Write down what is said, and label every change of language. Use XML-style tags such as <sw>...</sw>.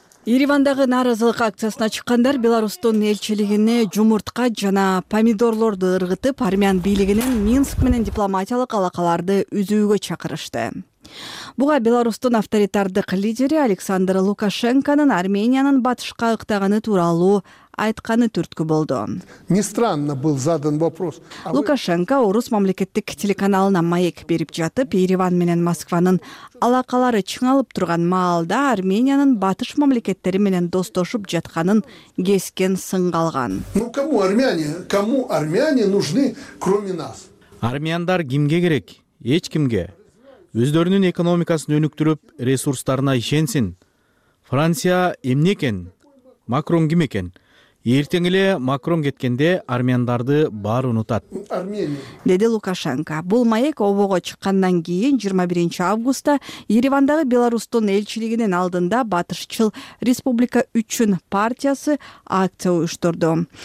<ky>Еревандагы нааразылык акциясына чыккандар Беларусьтун элчилигине жумуртка жана помидорлорду ыргытып, армян бийлигинин Минск менен дипломатиялык алакаларды үзүүгө чакырышты. Буга Беларусьтун авторитардык лидери Александр Лукашенконун Армениянын батышка ыктаганы тууралуу айтканы түрткү болду.</ky> <ru>Не странно был задан вопрос.</ru> <ky>Лукашенко орус мамлекеттик телеканалына маек берип жатып, Ереван менен Москванын алакалары чыңалып турган маалда Армениянын батыш мамлекеттери менен достошуп жатканын кескен сынга алган.</ky> <ru>Ну кому армяне? Кому армяне нужны, кроме нас?</ru> <ky>Армяндар кимге керек? Эч кимге? Өздөрүнүн экономикасын өнүктүрүп, ресурстарына ишенсин. Франция эмне экен? Макрон ким экен? Эртең эле Макрон кеткенде армяндарды баары унутат. Деди Лукашенко. Бул маек обого чыккандан кийин 21 августта Еревандагы Беларусьтун элчилигинин алдында Батышчыл Республика үчүн партиясы акция уюштурду.</ky>